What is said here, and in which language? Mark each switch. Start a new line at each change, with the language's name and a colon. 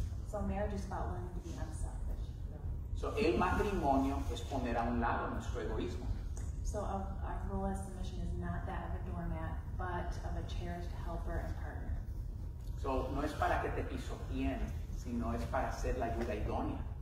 English: So marriage is about learning to be unselfish.
Spanish: So el matrimonio es poner a un lado nuestro egoísmo.
English: So our role as the mission is not that of a doormat, but of a cherished helper and partner.
Spanish: So no es para que te pisoteen, sino es para ser la ayuda idónea.